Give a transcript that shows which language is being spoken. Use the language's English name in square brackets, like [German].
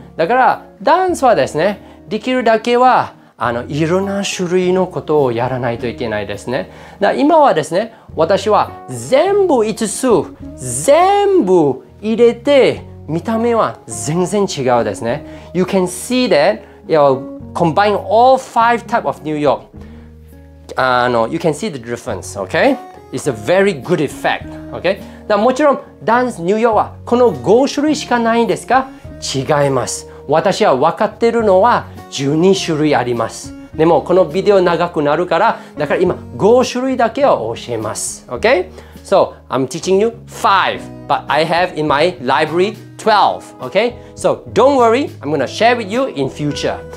[Japanese] だから、ダンスはですね、できるだけは、いろんな種類のことをやらないといけないですね。だから今はですね、私は全部5つ、全部入れて、見た目は全然違うですね。 [English] You can see that, you know,Combine all five types of New York. You can see the difference, okay? It's a very good effect, okay? [Japanese] だからもちろん、ダンス、ニューヨークはこの5種類しかないんですか？違います。私は分かってるのは12種類あります。でも、このビデオ長くなるから、だから今5種類だけを教えます。 [English] Okay? So, I'm teaching you 5, but I have in my library 12, okay? So, don't worry, I'm gonna share with you in future.